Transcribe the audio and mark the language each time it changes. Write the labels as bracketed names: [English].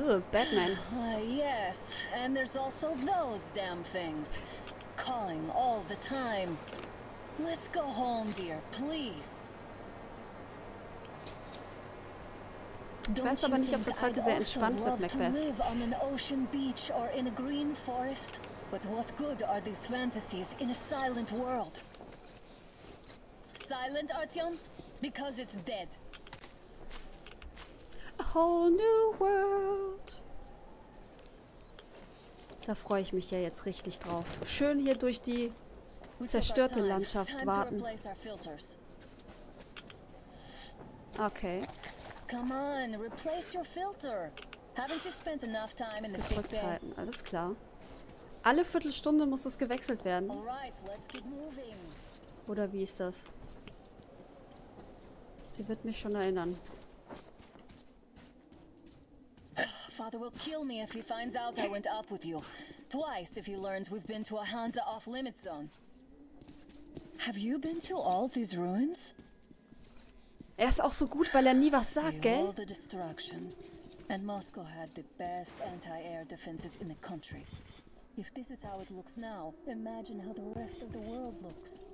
[English] Batman. Yes, and there's also those damn things. Calling all the time. Let's go home, dear, please. [German] Ich weiß aber nicht, ob das heute sehr entspannt wird, Macbeth. [English] Live on an ocean beach or in a green forest, but what good are these fantasies in a silent world? Silent, Artyom? Because it's dead. A whole new world. [German] Da freue ich mich ja jetzt richtig drauf. Schön hier durch die zerstörte Landschaft warten. [English] Okay. Come on, replace your filter. Haven't you spent enough time in the [German] big bed? Alles klar. Alle Viertelstunde muss es gewechselt werden. [English] All right, let's get moving. [German] Oder wie ist das? Sie wird mich schon erinnern. [English] Father will kill me if he finds out I went up with you. Twice if he learns we've been to a Hansa off-limit zone. Have you been to all these ruins? [German] Er ist auch so gut, weil er nie was sagt, gell? [English] All the destruction. And Moscow had the best anti-air defenses in the country. If this is how it looks now, imagine how the rest of the world looks.